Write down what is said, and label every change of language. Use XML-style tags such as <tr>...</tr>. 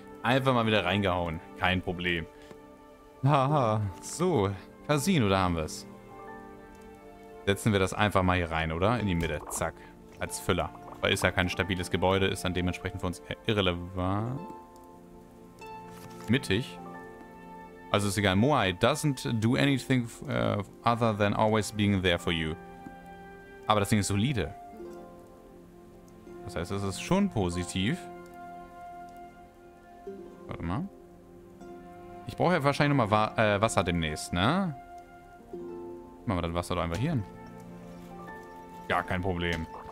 <de>Einfach mal wieder reingehauen, kein Problem. Haha, so, Casino, da haben wir es. Setzen wir das einfach mal hier rein, oder? In die Mitte, zack, als Füller. Weil ist ja kein stabiles Gebäude, ist dann dementsprechend für uns irrelevant. Mittig. Also ist egal.</de> <en>Moai doesn't do anything other than always being there for you.</en> <de>Aber das Ding ist solide. Das heißt, es ist schon positiv. Warte mal. Ich brauche ja wahrscheinlich nochmal Wasser demnächst, ne? Machen wir das Wasser doch einfach hier hin. Gar kein Problem.</de>